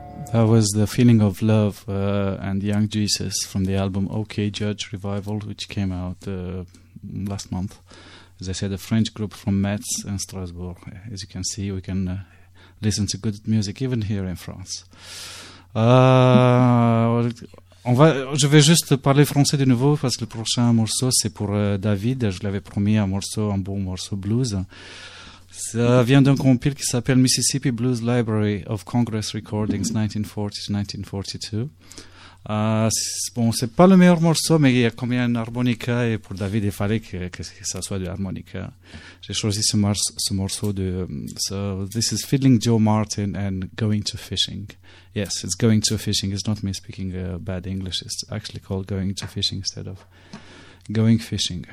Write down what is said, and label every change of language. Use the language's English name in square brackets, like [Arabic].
[English] That was The Feeling of Love and Young Jesus from the album OK Judge Revival, which came out last month. As I said, a French group from Metz and Strasbourg. As you can see, we can listen to good music even here in France. [French] Je vais juste parler français de nouveau parce que le prochain morceau, c'est pour David. Je l'avais promis, un bon morceau blues. Ça vient d'un compil qui s'appelle Mississippi Blues Library of Congress Recordings 1940-1942. Bon, c'est pas le meilleur morceau, mais il y a combien d'harmonica, et pour David, il fallait que ça soit de l'harmonica. J'ai choisi ce morceau de... [English] So, this is Fiddling Joe Martin and Going to Fishing. Yes, it's Going to Fishing. It's not me speaking bad English. It's actually called Going to Fishing instead of Going Fishing.